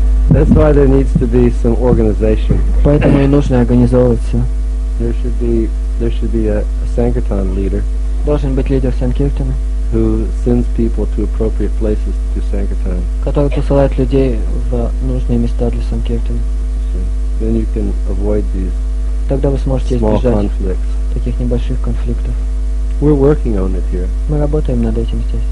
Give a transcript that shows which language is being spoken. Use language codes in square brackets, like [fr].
[en] There needs to be some organization. [ru] Поэтому нужно организовываться. [en] There should be a Sankirtan leader. [ru] Должен быть лидер Санкиртана. [en] Who sends people to appropriate places to Sankirtan. [ru] Который посылает людей в нужные места для Санкиртана. [en] Then you can avoid these. [ru] Тогда вы сможете избежать [en] conflicts. [ru] Таких небольших конфликтов. [en] We're working on it here. [ru] Мы работаем над этим здесь.